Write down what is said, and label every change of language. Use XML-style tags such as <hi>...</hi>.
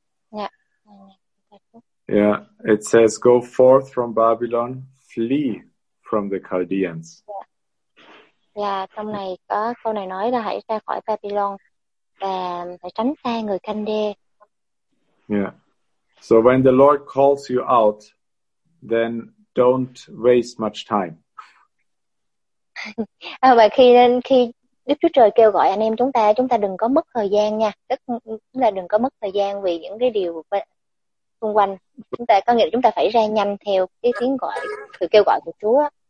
<en>Yeah. Yeah, it says, go forth from Babylon, flee from the Chaldeans.</en> <vi>Yeah, trong này có câu này nói là hãy ra khỏi Babylon và hãy tránh xa người Can-đê.</vi> <en>Yeah. So when the Lord calls you out, then don't waste much time.</en> <vi>Và khi Đức Chúa Trời kêu gọi anh em chúng ta đừng có mất thời gian nha. Tức là đừng có mất thời gian vì những cái điều xung quanh. Chúng ta có nghĩa là chúng ta phải ra nhanh theo cái tiếng gọi, sự kêu gọi của Chúa.</vi>